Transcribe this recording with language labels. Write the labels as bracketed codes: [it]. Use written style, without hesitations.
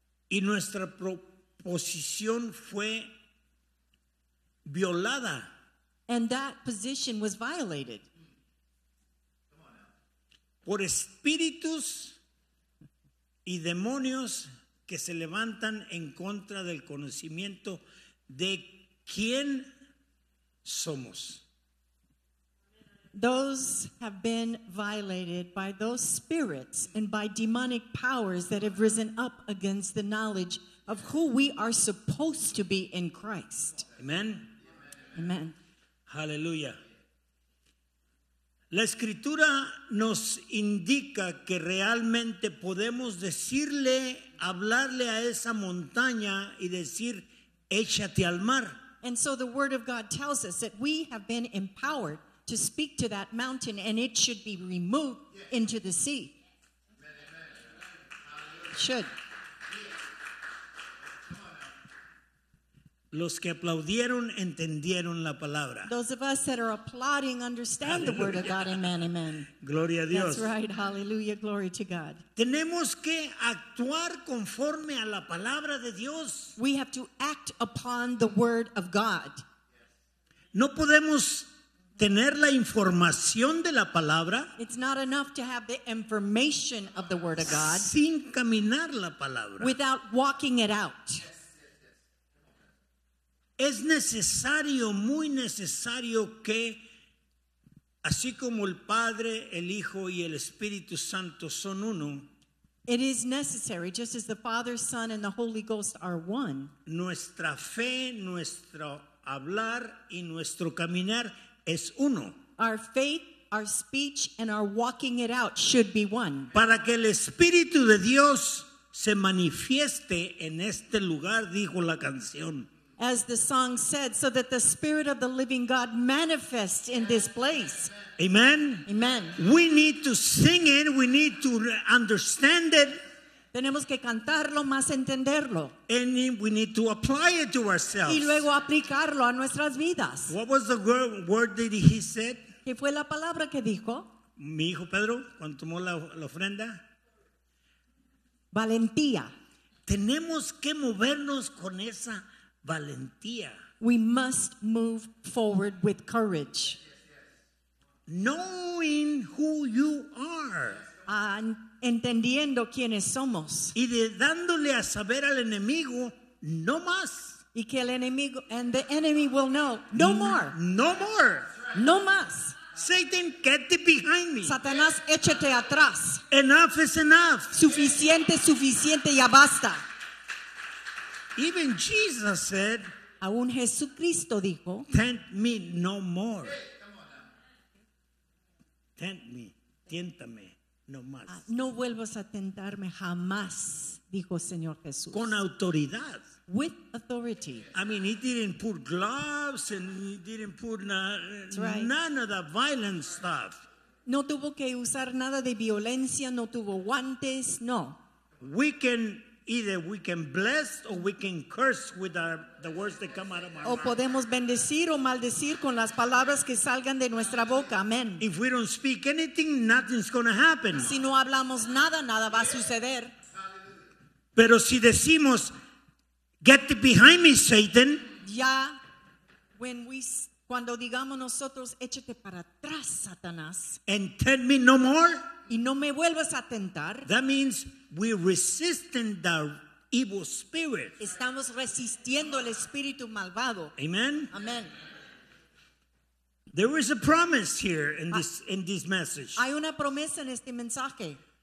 [es] Y nuestra posición fue violada. [en] And that position was violated. [es] Por espíritus y demonios que se levantan en contra del conocimiento de ¿quién somos? [en] Those have been violated by those spirits and by demonic powers that have risen up against the knowledge of who we are supposed to be in Christ. Amen. Amen. Amen. Hallelujah. [es] La Escritura nos indica que realmente podemos decirle, hablarle a esa montaña y decir, échate al mar. [en] And so the word of God tells us that we have been empowered to speak to that mountain and it should be removed into the sea. Amen. Should. [es] Los que aplaudieron entendieron la palabra. [en] Those of us that are applauding understand Hallelujah. The word of God. Amen, amen. [es] Gloria a Dios. [en] That's right. Hallelujah. Glory to God. [es] Tenemos que actuar conforme a la palabra de Dios. [en] We have to act upon the word of God. [es] No podemos tener la información de la palabra. [en] It's not enough to have the information of the word of God. [es] Sin caminar la palabra. [en] Without walking it out. [es] Es necesario, muy necesario que, así como el Padre, el Hijo y el Espíritu Santo son uno, [en] it is necessary, just as the Father, Son, and the Holy Ghost are one, [es] nuestra fe, nuestro hablar y nuestro caminar es uno. [en] Our faith, our speech, and our walking it out should be one. [es] Para que el Espíritu de Dios se manifieste en este lugar, dijo la canción. [en] As the song said, so that the Spirit of the living God manifests in this place. Amen. Amen. We need to sing it. We need to understand it. [es] Tenemos que cantarlo más entenderlo. [en] And we need to apply it to ourselves. [es] Y luego aplicarlo a nuestras vidas. [en] What was the word that he said? [es] ¿Qué fue la palabra que dijo? Mi hijo Pedro, cuando tomó la ofrenda. Valentía. Tenemos que movernos con esa valentía. [en] We must move forward with courage. Yes, yes. Knowing who you are. [es] Entendiendo quiénes somos. Y de dándole a saber al enemigo, no más. Y que el enemigo, [en] and the enemy will know, no more. No more. [es] No más. [en] Satan, get behind me. [es] Satanás, échate atrás. [en] Enough is enough. [es] Suficiente, suficiente, ya basta. [en] Even Jesus said, [es] aún Jesucristo dijo, [en] tempt me no more. Tempt me, [es] tiéntame no más. No vuelvas a tentarme jamás, dijo Señor Jesús. Con autoridad. [en] with authority. I mean, he didn't put gloves and he didn't put none of the violent stuff. [es] No tuvo que usar nada de violencia, no tuvo guantes, no. [en] We can either we can bless or we can curse with the words that come out of our mouth. [es] O podemos bendecir o maldecir con las palabras que salgan de nuestra boca. [en] Amen. If we don't speak anything, nothing's going to happen. [es] Si no hablamos nada, nada va a suceder. Pero si decimos, [en] get behind me, [es] Satan. Ya, [en] when we [es] cuando digamos nosotros, échate para atrás, Satanás. [en] And tend me no more. [es] Y no me vuelvas a tentar. [en] That means we're resisting the evil spirit. [es] Estamos resistiendo el espíritu malvado. [en] Amen. Amen. There is a promise here in this message. [es] Hay una promesa en este mensaje.